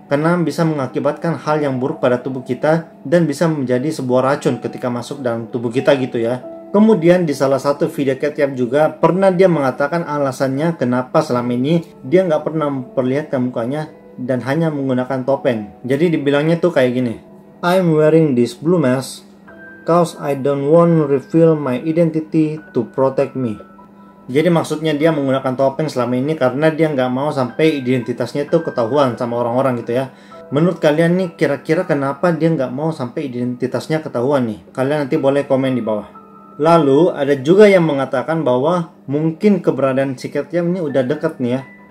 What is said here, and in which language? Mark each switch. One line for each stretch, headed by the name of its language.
Indonesian: Karena bisa mengakibatkan hal yang buruk pada tubuh kita dan bisa menjadi sebuah racun ketika masuk dalam tubuh kita gitu ya. Kemudian di salah satu video Kate Yup juga pernah dia mengatakan alasannya kenapa selama ini dia nggak pernah memperlihatkan mukanya dan hanya menggunakan topeng. Jadi dibilangnya tuh kayak gini,
English: "I'm wearing this blue mask cause I don't want reveal my identity to protect me."
Indonesian: Jadi maksudnya dia menggunakan topeng selama ini karena dia nggak mau sampai identitasnya itu ketahuan sama orang-orang gitu ya. Menurut kalian nih kira-kira kenapa dia nggak mau sampai identitasnya ketahuan nih? Kalian nanti boleh komen di bawah. Lalu ada juga yang mengatakan bahwa mungkin keberadaan si Kate Yup ini udah deket nih ya.